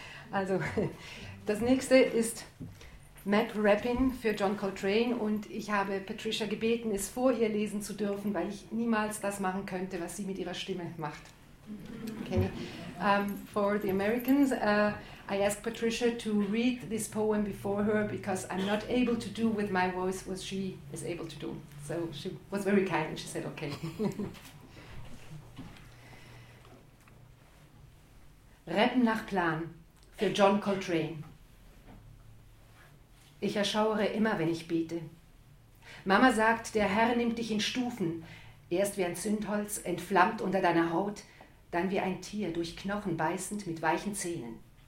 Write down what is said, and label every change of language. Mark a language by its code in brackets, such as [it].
[de] Also, das nächste ist Matt Rappin für John Coltrane und ich habe Patricia gebeten, es vor ihr lesen zu dürfen, weil ich niemals das machen könnte, was sie mit ihrer Stimme macht. Okay. [en] For the Americans, I asked Patricia to read this poem before her because I'm not able to do with my voice what she is able to do. So she was very kind and she said okay. [de] Rappen nach Plan für John Coltrane. Ich erschauere immer, wenn ich bete. Mama sagt, der Herr nimmt dich in Stufen, erst wie ein Zündholz, entflammt unter deiner Haut, dann wie ein Tier, durch Knochen beißend mit weichen Zähnen.